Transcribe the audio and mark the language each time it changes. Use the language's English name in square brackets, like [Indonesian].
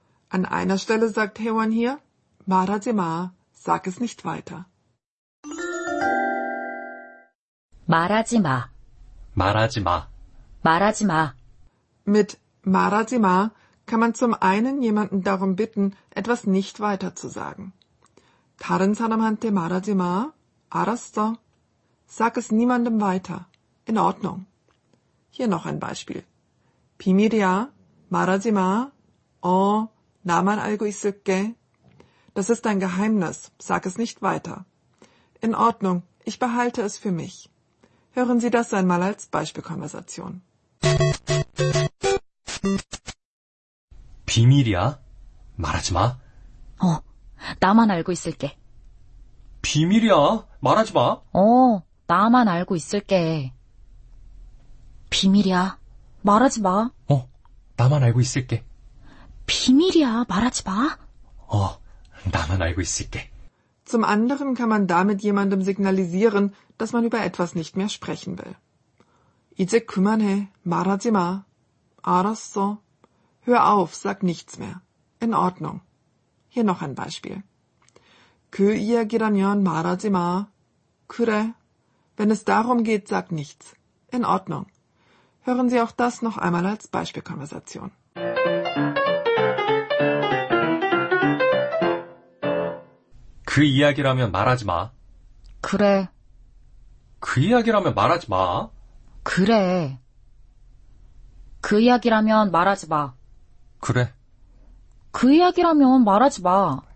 [German] An einer Stelle sagt Hae-won hier, Marajima, sag es nicht weiter. Marajima. Marajima. Marajima. Mit Marajima kann man zum einen jemanden darum bitten, etwas nicht weiter zu sagen. [Korean] 다른 사람한테 말하지 마. 알았어. [German] Sag es niemandem weiter. In Ordnung. Hier noch ein Beispiel. [Korean] 비밀이야, 말하지 마, 어, 나만 알고 있을게. [German] Das ist ein Geheimnis, sag es nicht weiter. In Ordnung, ich behalte es für mich. Hören Sie das einmal als Beispielkonversation. [Korean] 비밀이야, 말하지 마. 어, 나만 알고 있을게. 비밀이야, 말하지 마. 어, 나만 알고 있을게. 비밀이야, 말하지 마. 어, 나만 알고 있을게. 비밀이야, 말하지 마. 어, 나만 알고 있을게. [German] Zum anderen kann man damit jemandem signalisieren, dass man über etwas nicht mehr sprechen will. [Korean] 이제 그만해, 말하지 마. 알았어. [German] Hör auf, sag nichts mehr. In Ordnung. Hier noch ein Beispiel. [Korean] 그 이야기라면 말하지 마. 그래. [German] Wenn es darum geht, sag nichts. In Ordnung. Hören Sie auch das noch einmal als Beispielkonversation. [Korean] 그 이야기라면 말하지 마. 그래. 그 이야기라면 말하지 마. 그래. 그 이야기라면 말하지 마. 그래. 그 이야기라면 말하지 마.